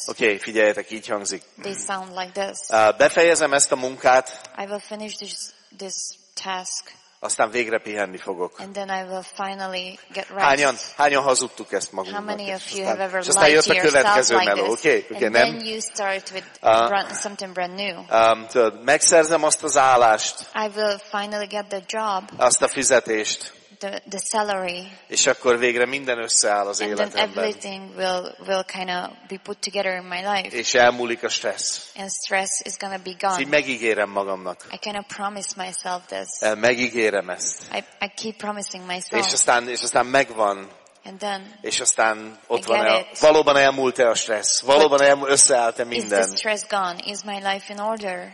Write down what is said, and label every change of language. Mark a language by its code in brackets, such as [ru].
[hu] Okay, figyeljetek, így hangzik. [en] They sound like this. [hu] Befejezem ezt a munkát. [en] I will finish this task. [hu] Aztán végre pihenni fogok. [en] And then I will finally get rest. [hu] Hányan hazudtuk ezt magunknak? [en] How many of you have ever lied? [hu] És aztán jött a következő meló, okay, nem? [en] And then you start with something brand new. [hu] Megszerzem azt az állást. [en] I will finally get the job. [hu] Azt a fizetést. [en] The salary. [hu] És akkor végre minden összeáll az [en] and [hu] életemben. [en] And then everything will kind of be put together in my life. [hu] És elmúlik a stressz. [en] And stress is gonna be gone. [hu] Így megígérem magamnak. [en] I kind of promise myself this. [hu] Megígérem ezt. [en] I keep promising myself. [hu] És aztán megvan. [en] And then, [hu] és aztán ott van, valóban elmúlt-e a stressz? Valóban összeállt-e minden? [en] Is the stress gone? Is my life in order?